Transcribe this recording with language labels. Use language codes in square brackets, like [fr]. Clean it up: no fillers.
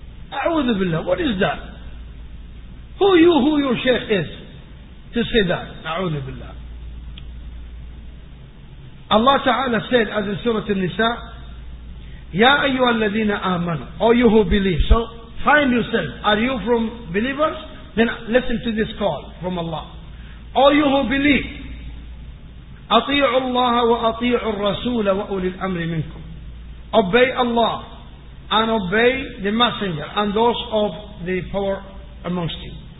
[en] A'udhu billah, what is that? Who you, who your Shaykh is, to say that? A'udhu billah. Allah Ta'ala said, as in Surah An-Nisa, [ar] Ya ayyuha alladhina amanu, [en] or you who believe. So, find yourself. Are you from believers? Then listen to this call from Allah. All you who believe, [ar] أطيعوا الله وأطيعوا الرسول وأولي الأمر منكم. [en] Obey Allah and obey the messenger and those of the power amongst you.